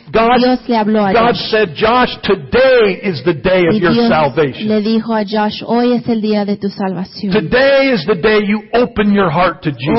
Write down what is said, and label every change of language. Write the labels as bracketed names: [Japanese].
[English] God, [Spanish] Dios le habló a él. [English] God said, "Josh, today is the day of your salvation." [Spanish] Le dijo a Josh, "Hoy es el día de tu salvación." [English] "Today is the day you open your heart to Jesus."